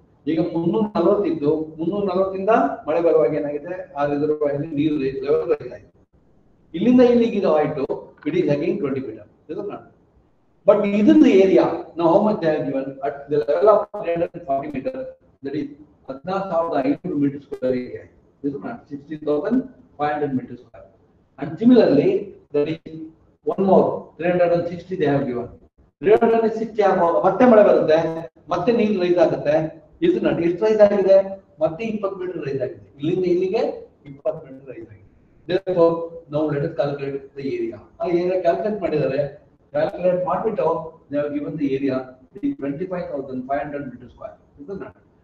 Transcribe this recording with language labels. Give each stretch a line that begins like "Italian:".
Kannada: ಈಗ 340 ಇದ್ದು 340 ಮಳೆ ಬರುವಾಗ ಏನಾಗಿದೆ, ಆ ರಿಸರ್ವಾಯರ್ನಲ್ಲಿ ನೀರು ಲೆವೆಲ್ ಆಯ್ತು. ಇಲ್ಲಿಂದ ಇಲ್ಲಿಗೆ ಇದು ಆಯ್ತು,
English: It is again 20 meter.
Kannada: ಇದನ್ನ ಬಟ್ ಇದನ್ನ ಏರಿಯಾ ನಾವು
English: how much given at the level of 340 meter, that is 14,500 meter square
Kannada: area. ಇದು 16,500 meter square.
English: And similarly that is one more 360 they have given.
Kannada: 360 ಆಗುವಾಗ ಮತ್ತೆ ಮಳೆ ಬರುತ್ತೆ, ಮತ್ತೆ ನೀರು ರೈಸ್ ಆಗುತ್ತೆ. ಇದು ನಟ್ ಎಷ್ಟು ರೈಸ್ ಆಗಿದೆ, ಮತ್ತೆ 20 meter ರೈಸ್ ಆಗಿದೆ. ಇಲ್ಲಿಂದ ಇಲ್ಲಿಗೆ 20 meter ರೈಸ್ ಆಗಿದೆ.
English: Therefore now let us calculate the area.
Kannada: ಆ ಏರಿಯಾ ಕ್ಯಾಲ್ಕುಲೇಟ್ ಮಾಡಿದರೆ, ಕ್ಯಾಲ್ಕುಲೇಟ್ ಮಾಡಿಬಿಟ್ಟು
English: They have given the area 25,500 meter square.
Kannada: ಇದು ನಟ್.